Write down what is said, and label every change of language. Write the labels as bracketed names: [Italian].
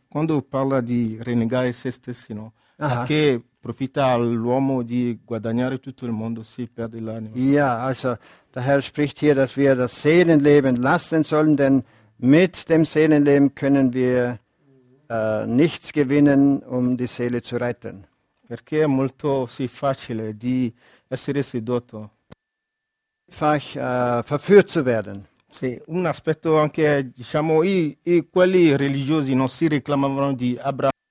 [Italian] Quando parla di rinnegare se stessi, no? Che profitta all'uomo di guadagnare tutto il mondo se perde l'anima. [German] Ja, also der Herr spricht hier, dass wir das Seelenleben lassen sollen, denn mit dem Seelenleben können wir nichts gewinnen, um die Seele zu retten. [Italian] Perché è molto sì facile di essere sedotto. [German] Einfach verführt zu werden. [Italian] Sì, un aspetto anche, diciamo, i quelli religiosi non si reclamavano di Abramo.